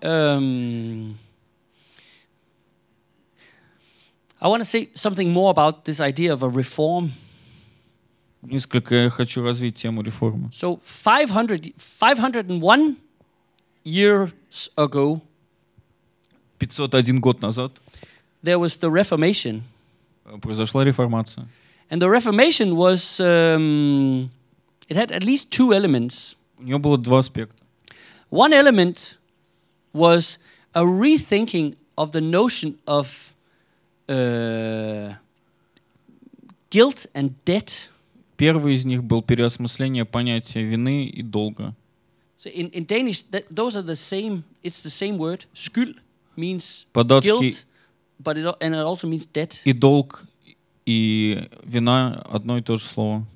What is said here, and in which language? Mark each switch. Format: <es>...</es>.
<en>I want to say something more about this idea of a reform.</en> <ru>Несколько я хочу развить тему реформы.</ru> <en>So 501 years ago.</en> <ru>501 год назад.</ru> <en>There was the Reformation.</en> <ru>Произошла реформация.</ru> <en>And the Reformation was it had at least two elements.</en> <ru>У неё было два аспекта.</ru> <en>One element was a rethinking of the notion of guilt and debt.</en> <ru>Первый из них был переосмысление понятия вины и долга.</ru> <en>So in Danish that, those are the same, it's the same word. Skyld means</en> <ru>по-датски,</ru> <en>guilt, but it, and it also means debt.</en> <ru>И долг и вина одно и то же слово.</ru>